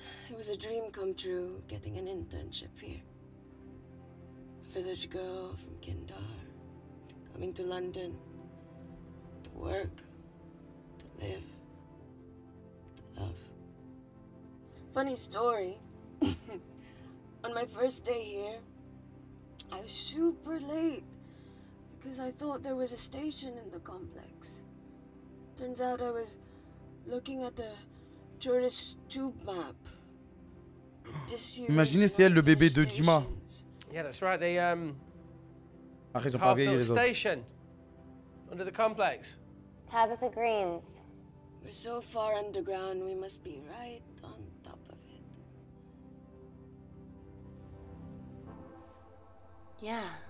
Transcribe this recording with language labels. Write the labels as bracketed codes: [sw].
[en] It was a dream come true, getting an internship here. A village girl from Kindar, coming to London to work, to live, to love. Funny story. On my first day here, I was super late because I thought there was a station in the complex. Turns out I was looking at the tourist tube map. [fr] Imaginez, c'est elle le bébé de Dima. [en] Yeah, that's right. They [fr] Après, ils ont pas les [en] station under the complex. Tabitha Greens. We're so far underground, we must be right on top of it. Yeah.